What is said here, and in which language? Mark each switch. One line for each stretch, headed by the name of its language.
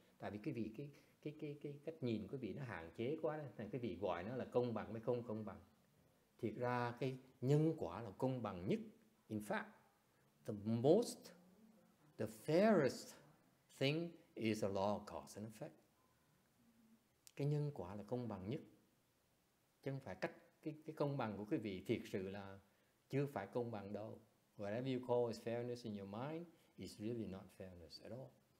Vietnamese: Tại vì quý vị, cái cách nhìn quý vị nó hạn chế quá. Nên quý vị gọi nó là công bằng hay không công bằng. Thiệt ra, cái nhân quả là công bằng nhất.
English: In fact, the most, the fairest thing is the law of cause and effect.
Vietnamese: Cái nhân quả là công bằng nhất. Chứ không phải cách cái công bằng của quý vị thiệt sự là chưa phải công bằng đâu.
English: Whatever you call is fairness in your mind is really not fairness at all.